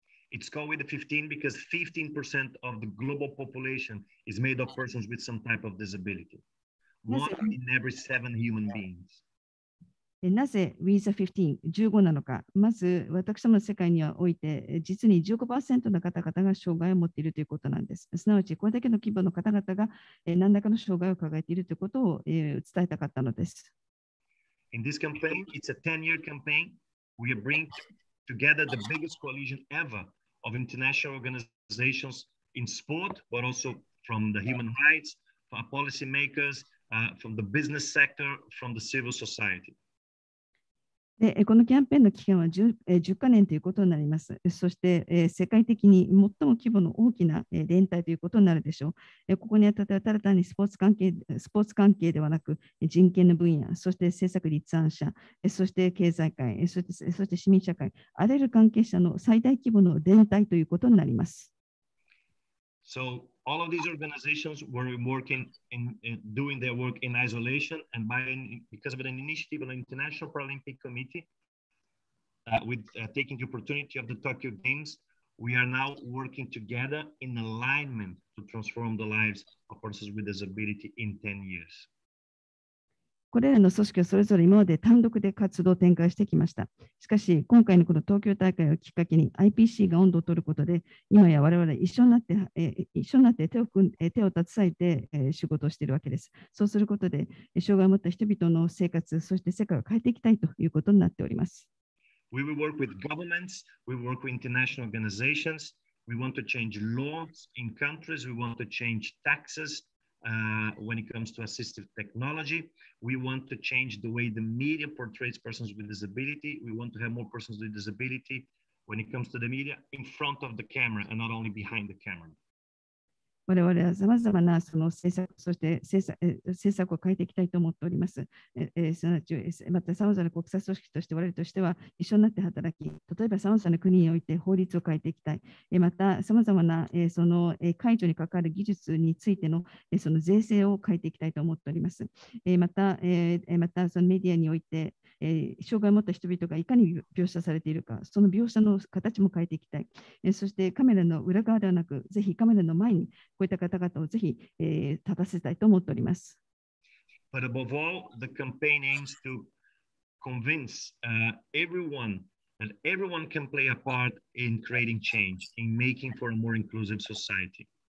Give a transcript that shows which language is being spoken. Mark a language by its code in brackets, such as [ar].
[en] It's called WISA15 because 15% of the global population is made of persons with some type of disability. One in every seven human beings. [ja] なぜ WISA15、15なのか。まず私どもの世界において実に 15% の方々が障害を持っているということなんです。すなわちこれだけの規模の方々が何らかの障害を抱えているということを伝えたかったのです。 [en] In this campaign, it's a 10-year campaign. We are bringing together the biggest coalition ever of international organizations in sport, but also from the human rights, from policy makers, from the business sector, from the civil society. [ja] でこのキャンペーンの期間は 10カ年ということになります。そして世界的に最も規模の大きな連帯ということになるでしょう。ここにあたってはただ単にスポーツ関係ではなく、人権の分野、そして政策立案者、そして経済界、そして市民社会、あらゆる関係者の最大規模の連帯ということになります。 [en] So all of these organizations were working in doing their work in isolation and because of an initiative of the International Paralympic Committee taking the opportunity of the Tokyo Games, we are now working together in alignment to transform the lives of persons with disability in 10 years. [ja] これらの組織はそれぞれ今まで単独で活動を展開してきました。しかし、今回のこの東京大会をきっかけに IPC が温度を取ることで、今や我々一緒になって手を携えて仕事をしているわけです。そうすることで、障害を持った人々の生活、そして世界を変えていきたいということになっております。 [en] We will work with governments, we will work with international organizations, we want to change laws in countries, we want to change taxes. When it comes to assistive technology, we want to change the way the media portrays persons with disability. We want to have more persons with disability when it comes to the media in front of the camera and not only behind the camera. [ja] 我々はさまざまなその政策、そして政策を変えていきたいと思っております。すなわち、またさまざまな国際組織として、我々としては一緒になって働き、例えばさまざまな国において法律を変えていきたい。またさまざまな、その解除に関わる技術についての、その税制を変えていきたいと思っております。またそのメディアにおいて、障害を持った人々がいかに描写されているか、その描写の形も変えていきたい。そしてカメラの裏側ではなく、ぜひカメラの前にこういった方々をぜひ、立たせたいと思っております。 [en] But above all, the campaign aims to convince everyone that everyone can play a part in creating change, in making for a more inclusive society.